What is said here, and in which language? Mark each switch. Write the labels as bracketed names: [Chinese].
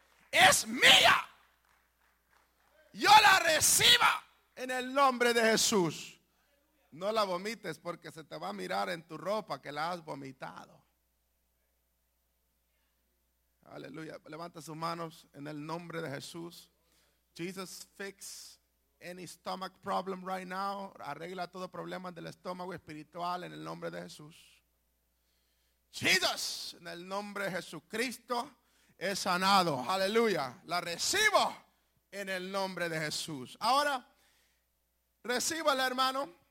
[Spanish] Es mía. Yo la reciba en el nombre de Jesús. No la vomites porque se te va a mirar en tu ropa que la has vomitado. Aleluya. Levanta sus manos en el nombre de Jesús. [English] Jesus, fix any stomach problem right now. [Spanish] Arregla todo problema del estómago espiritual en el nombre de Jesús. Jesús, en el nombre de Jesucristo, es sanado. Aleluya. La recibo en el nombre de Jesús. Ahora, recíbala, hermano.